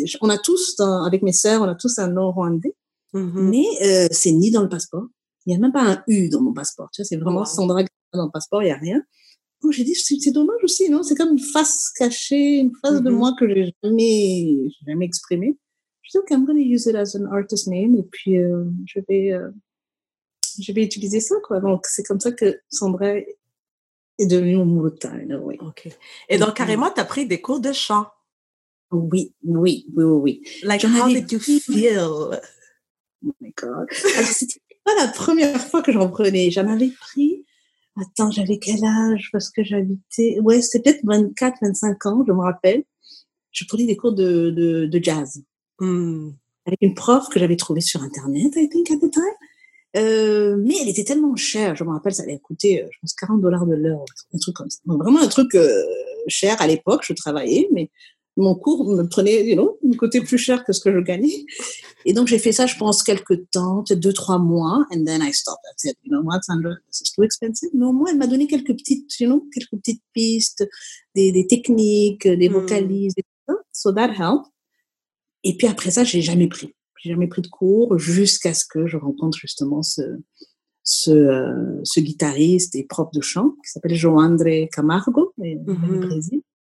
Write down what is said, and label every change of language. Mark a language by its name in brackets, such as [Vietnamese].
[French] on a tous, avec mes sœurs, on a tous un nom rwandais. Mmh. Mais c'est ni dans le passeport. Il n'y a même pas un U dans mon passeport. Tu vois, c'est vraiment Sandra dans le passeport, il n'y a rien. Donc, j'ai dit, c'est dommage aussi, non? C'est comme une face cachée, une face de moi que je n'ai jamais exprimée. Je dis, OK, [English] I'm going to use it as an artist name. [French] Et puis, je vais utiliser ça, quoi. Donc, c'est comme ça que Sandra est devenue Umuruta, [English] in a way. [French] OK. Et donc, carrément, tu as pris des cours de chant. Oui, oui, oui, oui, oui. [English] Like, j'en how did you feel? Oh my God. [French] Alors, c'était pas la première fois que j'en prenais. J'en avais pris... Attends, j'avais quel âge? Parce que j'habitais... Ouais, c'était peut-être 24, 25 ans, je me rappelle. Je prenais des cours de jazz. Avec une prof que j'avais trouvée sur Internet, [English] I think, at the time. [French] Mais elle était tellement chère, je me rappelle, ça allait coûter, je pense, $40 de l'heure, un truc comme ça. Donc, vraiment un truc cher à l'époque, je travaillais, mais mon cours me prenait, [English] you know, [French] me coûtait plus cher que ce que je gagnais. Et donc, j'ai fait ça, je pense, quelques temps, peut-être 2-3 mois, [English] and then I stopped. That's it. You know what, Sandra, this is too expensive. [French] Mais au moins, elle m'a donné quelques petites, [English] you know, [French] quelques petites pistes, des techniques, des vocalises, et tout ça. [English] So that helped. [French] Et puis après ça, j'ai jamais pris. J'ai jamais pris de cours jusqu'à ce que je rencontre justement ce guitariste et prof de chant qui s'appelle João André Camargo, du Brésil.